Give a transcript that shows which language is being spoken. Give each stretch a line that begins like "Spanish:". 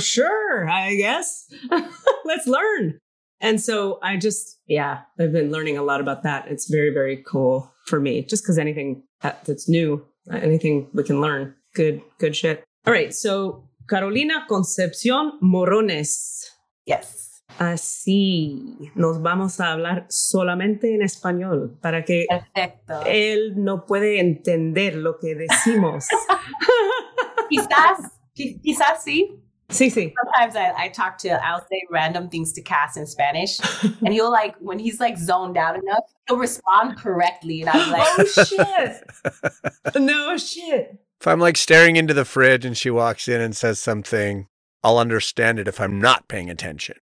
English: Sure, I guess. Let's learn. And so I just, I've been learning a lot about that. It's very, very cool for me, just because anything that's new, anything we can learn, good shit. All right, so Carolina Concepción Morones. Yes.
Spanish: Así nos vamos a hablar solamente en español para que perfecto. Él no puede entender lo que decimos. quizás sí. Sí, sí.
English: Sometimes I'll say random things to Cass in Spanish, and he'll like, when he's like zoned out enough, he'll respond correctly, and I'm like, oh shit. No shit. If I'm like staring into the fridge and she walks in and says something, I'll understand it if I'm not paying attention.